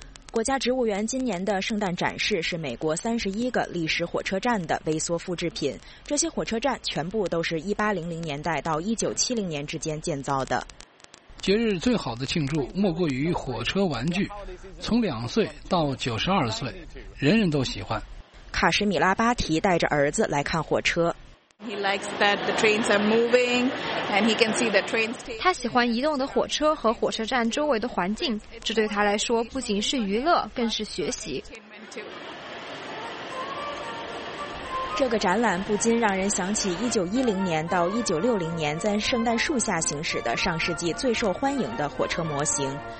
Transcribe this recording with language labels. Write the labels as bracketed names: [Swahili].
[Chinese] 国家植物园今年的圣诞展示是美国31个历史火车站的微缩复制品，这些火车站全部都是1800年代到1970年之间建造的。节日最好的庆祝莫过于火车玩具，从2岁到92岁，人人都喜欢。卡什米拉巴提带着儿子来看火车。 [English] He likes that the trains are moving, and he can see the trains. [Chinese] 他喜欢移动的火车和火车站周围的环境，这对他来说不仅是娱乐，更是学习。这个展览不禁让人想起1910年到1960年在圣诞树下行驶的上世纪最受欢迎的火车模型。